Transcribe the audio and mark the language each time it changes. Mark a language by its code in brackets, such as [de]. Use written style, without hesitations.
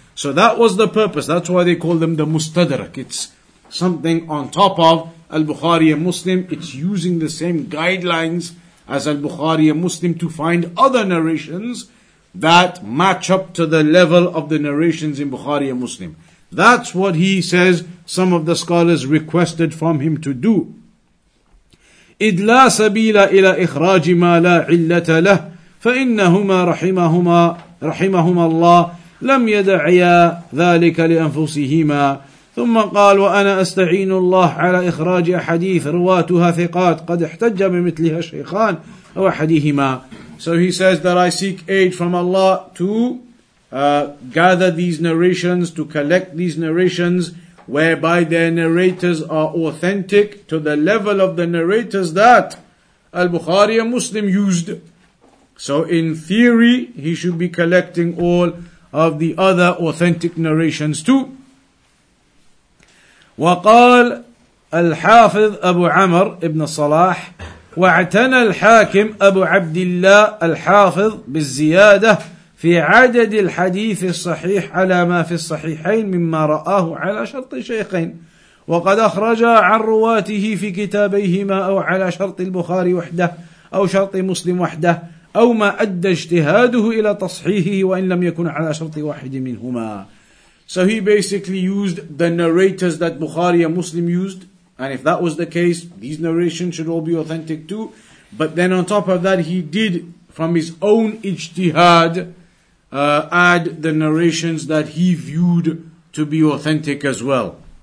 [en] So that was the purpose. That's why they call them the Mustadrak. It's something on top of Al-Bukhari and Muslim. It's using the same guidelines as Al-Bukhari and Muslim to find other narrations that match up to the level of the narrations in Bukhari and Muslim. That's what he says some of the scholars requested from him to do. [ar] إِذْ لَا سَبِيلَ إِلَىٰ إِخْرَاجِ مَا لَا عِلَّةَ لَهُ فَإِنَّهُمَا رَحِمَهُمَا اللَّهِ لَمْ يَدَعِيَا ذَلِكَ لِأَنفُسِهِمَا ثم قال وأنا أستعين الله على إخراج أحاديث رواتها ثقات قد احتج بمثلها شيخان أو أحدهما. [en] So he says that I seek aid from Allah to gather these narrations, to collect these narrations, whereby their narrators are authentic to the level of the narrators that Al-Bukhari and Muslim used. So in theory, he should be collecting all of the other authentic narrations too. [ar] وقال الحافظ أبو عمر ابن صلاح واعتنى الحاكم أبو عبد الله الحافظ بالزيادة في عدد الحديث الصحيح على ما في الصحيحين مما رآه على شرط شيخين وقد أخرج عن رواته في كتابيهما أو على شرط البخاري وحده أو شرط مسلم وحده أو ما أدى اجتهاده إلى تصحيحه وإن لم يكن على شرط واحد منهما. [en] So he basically used the narrators that Bukhari and Muslim used. And if that was the case, these narrations should all be authentic too. But then on top of that, he did, from his own ijtihad, add the narrations that he viewed to be authentic as well.